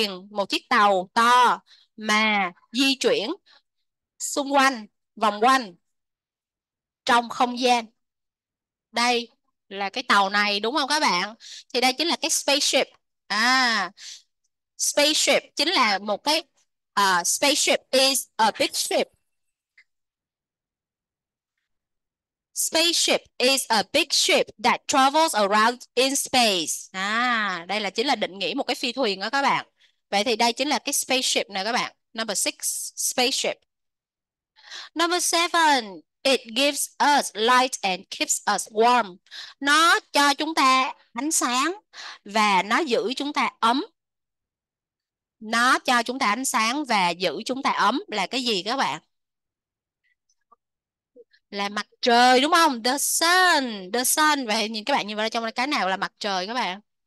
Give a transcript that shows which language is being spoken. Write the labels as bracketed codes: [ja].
[vi] Một chiếc tàu to mà di chuyển xung quanh, vòng quanh trong không gian. Đây là cái tàu này đúng không các bạn? Thì đây chính là cái spaceship. [en] À, spaceship [vi] chính là một cái [en] spaceship is a big ship. Spaceship is a big ship that travels around in space. [vi] À, đây là chính là định nghĩa một cái phi thuyền đó các bạn. Vậy thì đây chính là cái spaceship nè các bạn. [en] Number 6, spaceship. Number 7, it gives us light and keeps us warm. [vi] Nó cho chúng ta ánh sáng và nó giữ chúng ta ấm. Nó cho chúng ta ánh sáng và giữ chúng ta ấm là cái gì các bạn? Là mặt trời đúng không? The sun. Vậy nhìn các bạn nhìn vào trong cái nào là mặt trời các bạn?